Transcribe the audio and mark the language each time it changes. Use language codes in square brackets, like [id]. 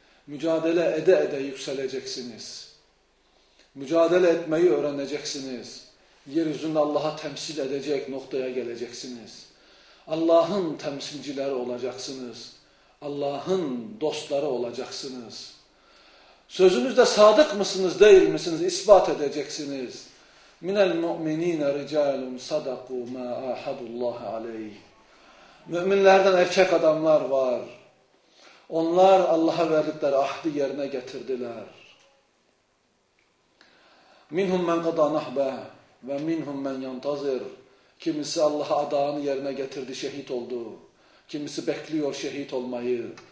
[tr] Mücadele ede ede yükseleceksiniz. Mücadele etmeyi öğreneceksiniz. Yeryüzünde Allah'a temsil edecek noktaya geleceksiniz. Allah'ın temsilcileri olacaksınız. Allah'ın dostları olacaksınız. Sözünüzde sadık mısınız, değil misiniz? İspat edeceksiniz. [ar] مِنَ الْمُؤْمِن۪ينَ رِجَالٌ صَدَقُوا مَا أَحَدُ اللّٰهِ عَلَيْهِ [tr] Müminlerden erkek adamlar var. Onlar Allah'a verdikleri ahdi yerine getirdiler. [ar] Minhum men qada nahbe ve minhum men yantazir. [tr] Kimisi Allah'a adağını yerine getirdi, şehit oldu. Kimisi bekliyor şehit olmayı.